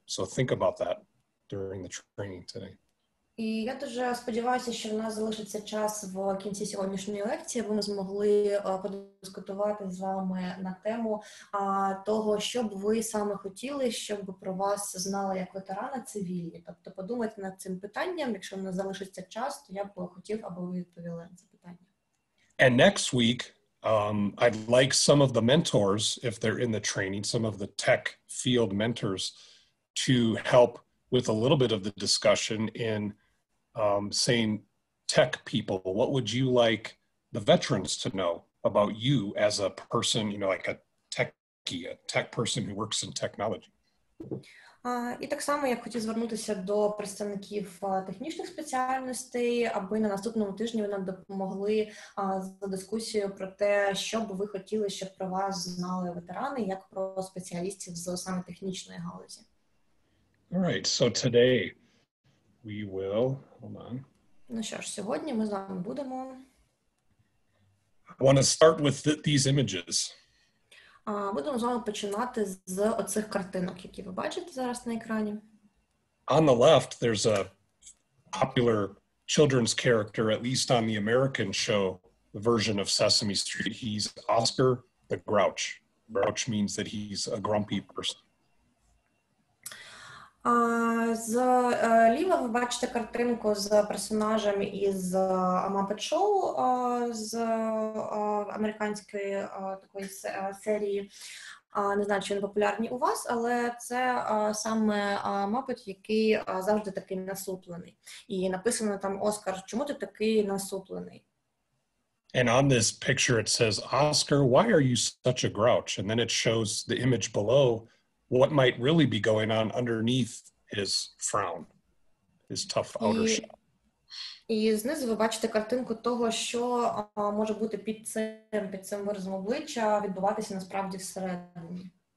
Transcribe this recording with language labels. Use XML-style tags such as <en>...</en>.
<en>So think about that during the training today.</en> <uk>І я дуже сподіваюся, що в нас залишиться час в кінці сьогоднішньої лекції, аби ми змогли подискутувати з вами на тему того, що б ви саме хотіли, щоб про вас знали як ветерана цивільні. Тобто подумайте над цим питанням, якщо в нас залишиться час, то я б хотів, аби ви відповіли на це питання.</uk> <en>And next week, I'd like some of the mentors, if they're in the training, some of the tech field mentors, to help with a little bit of the discussion in saying, tech people, what would you like the veterans to know about you as a person, you know, like a techie, a tech person who works in technology?</en> <uk>І так само я хотів звернутися до представників технічних спеціальностей, аби на наступному тижні ви нам допомогли за дискусією про те, що б ви хотіли, щоб про вас знали ветерани, як про спеціалістів з саме технічної галузі.</uk> <en>All right, so today we will, hold on.</en> <uk>Ну що ж, сьогодні ми з вами будемо.</uk> <en>I want to start with these images.</en> <uk>Будемо з вами починати з оцих картинок, які ви бачите зараз на екрані.</uk> <en>On the left, there's a popular children's character, at least on the American show version of Sesame Street. He's Oscar the Grouch. Grouch means that he's a grumpy person.</en> <uk>Зліва ви бачите картинку з персонажем із Muppet Show з американської такої серії. Не знаю, чи він популярний у вас, але це саме Muppet, який завжди такий насуплений. І написано там: Оскар, чому ти такий насуплений?</uk> <en>And on this picture it says, Oscar, why are you such a grouch? And then it shows the image below, what might really be going on underneath his frown, his tough outer shell.</en> <uk>І знизу ви бачите картинку того, що може бути під цим виразом обличчя відбуватися насправді всередині.</uk>